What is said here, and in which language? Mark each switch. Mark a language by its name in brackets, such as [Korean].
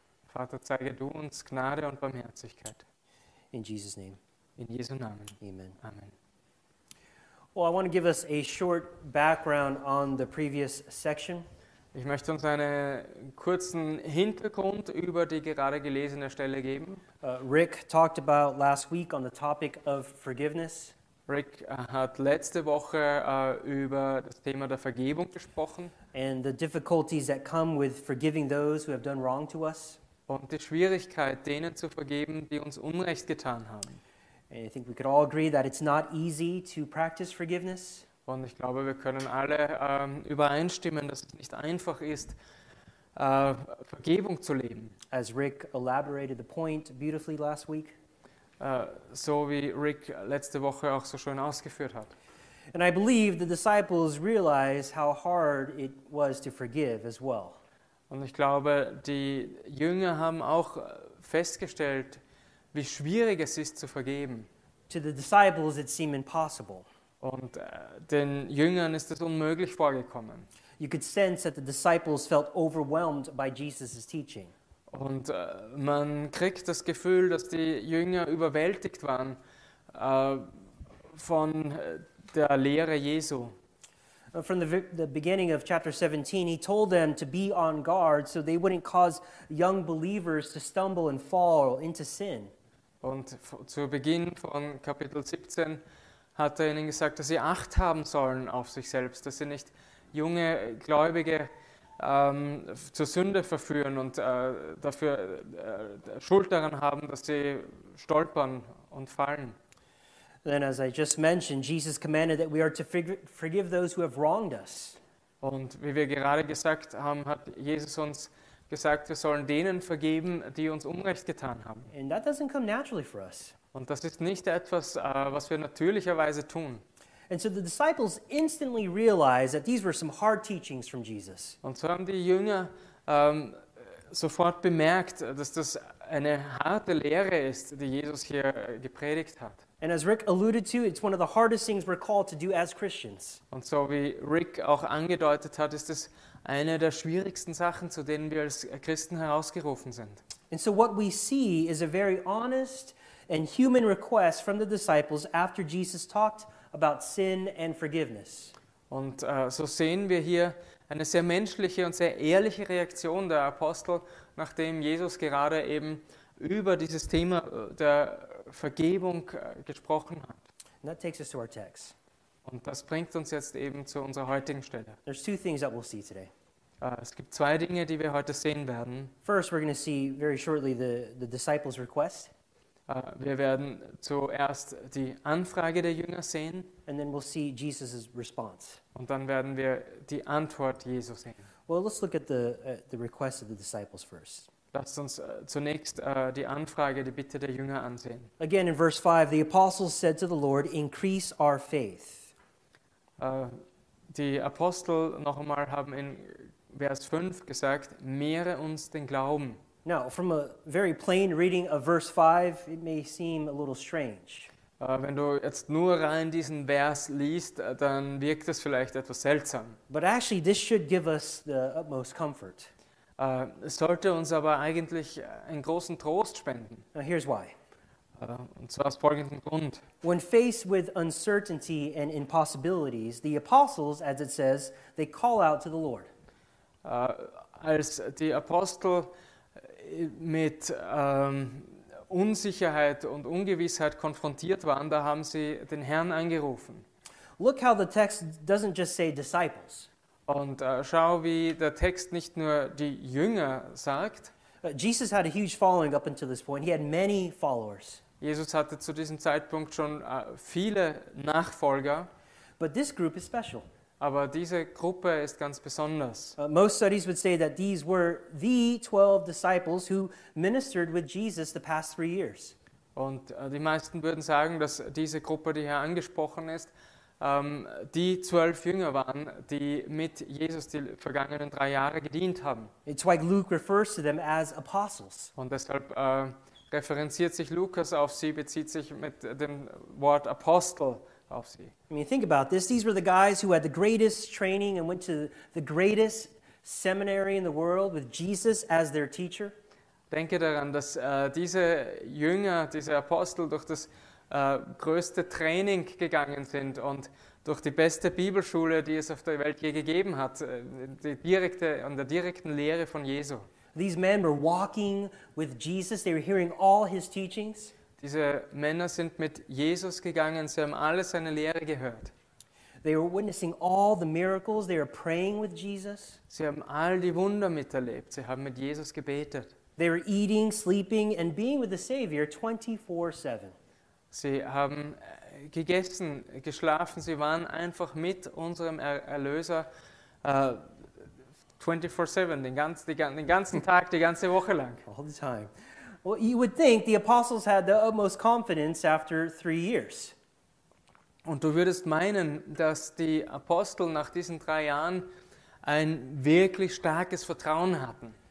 [German] Vater, zeige du uns Gnade und Barmherzigkeit. [English] In Jesus' name. [German] In Jesu Namen. [English] Amen. [German] Amen. [English] Well, I want to give us a short background on the previous section. [German] Ich möchte uns einen kurzen Hintergrund über die gerade gelesene Stelle geben. [English] Rick talked about last week on the topic of forgiveness. [German] Rick hat letzte Woche über das Thema der Vergebung gesprochen. [English] And the difficulties that come with forgiving those who have done wrong to us. [German] Und die Schwierigkeit, denen zu vergeben, die uns Unrecht getan haben. [English] And I think we could all agree that it's not easy to practice forgiveness. [German] Und ich glaube, wir können alle übereinstimmen, dass es nicht einfach ist, Vergebung zu leben. [English] As Rick elaborated the point beautifully last week. [German] So wie Rick letzte Woche auch so schön ausgeführt hat. [English] And I believe the disciples realize how hard it was to forgive as well. [German] Und ich glaube, die Jünger haben auch festgestellt, wie schwierig es ist zu vergeben. [English] To the disciples it seemed impossible. [German] Und den Jüngern ist es unmöglich vorgekommen. [English] You could sense that the disciples felt overwhelmed by Jesus' teaching. [German] Und man kriegt das Gefühl, dass die Jünger überwältigt waren von der Lehre Jesu. [English] From the beginning of chapter 17, he told them to be on guard so they wouldn't cause young believers to stumble and fall into sin. [German] Und zu Beginn von Kapitel 17 hat er ihnen gesagt, dass sie Acht haben sollen auf sich selbst, dass sie nicht junge Gläubige zur Sünde verführen und dafür Schuld daran haben, dass sie stolpern und fallen. [English] Then, as I just mentioned, Jesus commanded that we are to forgive those who have wronged us. [German] Und wie wir gerade gesagt haben, hat Jesus uns gesagt, wir sollen denen vergeben, die uns Unrecht getan haben. [English] And that doesn't come naturally for us. [German] Und das ist nicht etwas, was wir natürlicherweise tun. [English] And so the disciples instantly realized that these were some hard teachings from Jesus. [German] Und so haben die Jünger sofort bemerkt, dass das eine harte Lehre ist, die Jesus hier gepredigt hat. [English] And as Rick alluded to, it's one of the hardest things we're called to do as Christians. [German] Und so wie Rick auch angedeutet hat, ist es eine der schwierigsten Sachen, zu denen wir als Christen herausgerufen sind. [English] And so what we see is a very honest and human request from the disciples after Jesus talked about sin and forgiveness. [German] Und so sehen wir hier eine sehr menschliche und sehr ehrliche Reaktion der Apostel, nachdem Jesus gerade eben über dieses Thema der Vergebung gesprochen hat. [English] And that takes us to our text. [German] Und das bringt uns jetzt eben zu unserer heutigen Stelle. [English] There's two things that we'll see today. [German] Es gibt zwei Dinge, die wir heute sehen werden. [English] First, we're going to see very shortly the disciples' request. [German] Wir werden zuerst die Anfrage der Jünger sehen. [English] And then we'll see Jesus' response. [German] Und dann werden wir die Antwort Jesu sehen. [English] Well, let's look at the request of the disciples first. [German] Lasst uns zunächst die Anfrage, die Bitte der Jünger ansehen. [English] Again, in verse 5, the apostles said to the Lord, increase our faith. [German] Die Apostel noch einmal haben in Vers 5 gesagt, mehre uns den Glauben. [English] Now, from a very plain reading of verse 5, it may seem a little strange. [German] Wenn du jetzt nur rein diesen Vers liest, dann wirkt es vielleicht etwas seltsam. [English] But actually, this should give us the utmost comfort. [German] Es sollte uns aber eigentlich einen großen Trost spenden. [English] Now, here's why. [German] Und zwar aus folgendem Grund. [English] When faced with uncertainty and impossibilities, the apostles, as it says, they call out to the Lord. [German] Als die Apostel mit Unsicherheit und Ungewissheit konfrontiert waren, da haben sie den Herrn angerufen. [English] Look how the text doesn't just say disciples. [German] Und schau, wie der Text nicht nur die Jünger sagt. [English] Jesus had a huge following up until this point. He had many followers. [German] Jesus hatte zu diesem Zeitpunkt schon viele Nachfolger. [English] But this group is special. [German] Aber diese Gruppe ist ganz besonders. [English] Most studies would say that these were the 12 disciples who ministered with Jesus the past 3 years. [German] Und die meisten würden sagen, dass diese Gruppe, die hier angesprochen ist, die 12 Jünger waren, die mit Jesus die vergangenen 3 Jahre gedient haben. [English] It's why Luke refers to them as apostles. [German] Und deshalb referenziert sich Lukas auf sie, bezieht sich mit dem Wort Apostel auf sie. [English] I mean, think about this. These were the guys who had the greatest training and went to the greatest seminary in the world with Jesus as their teacher. [German] Denke daran, dass diese Jünger, diese Apostel durch das größte Training gegangen sind und durch die beste Bibelschule, die es auf der Welt je gegeben hat, an der direkten Lehre von Jesu. [English] These men were walking with Jesus. They were hearing all his teachings. [German] Diese Männer sind mit Jesus gegangen. Sie haben alle seine Lehre gehört. [English] They were witnessing all the miracles. They were praying with Jesus. [German] Sie haben all die Wunder miterlebt. Sie haben mit Jesus gebetet. [English] They were eating, sleeping, and being with the Savior 24/7. [German] Sie haben gegessen, geschlafen. Sie waren einfach mit unserem Erlöser 24/7, den ganzen Tag, die ganze Woche lang. [English] All the time. Well, you would think the apostles had the utmost confidence after 3 years. [German] Und du würdest meinen, dass die Apostel nach diesen 3 Jahren ein wirklich starkes Vertrauen hatten.